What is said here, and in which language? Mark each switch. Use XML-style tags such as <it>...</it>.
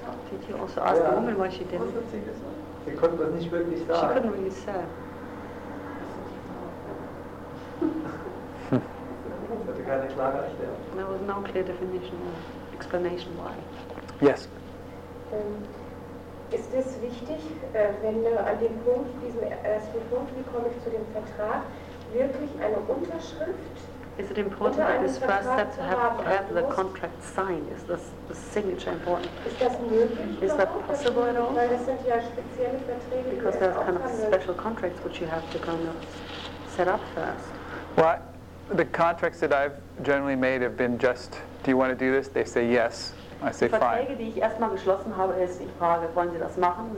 <en>Did you also ask the woman why she didn't?</en> <de>Sie konnte das nicht wirklich sagen.</de> <en>She couldn't really say.</en> <de>Hatte keine klare Erklärung.</de> <en>There was no clear definition or explanation why. Yes.</en> <de>Ist es wichtig, wenn an dem Punkt, diesem ersten Punkt, wie komme ich zu dem Vertrag, wirklich eine Unterschrift?</de> <en>Is it important at this first step to have the contract signed? Is this the signature important? Is that possible at all? Because there are kind of special contracts which you have to kind of set up first. Well, the contracts that I've generally made have been just, do you want to do this? They say yes. I say fine.</en> <de>Verträge, die ich erstmal geschlossen habe, ist, ich frage, wollen Sie das machen?</de>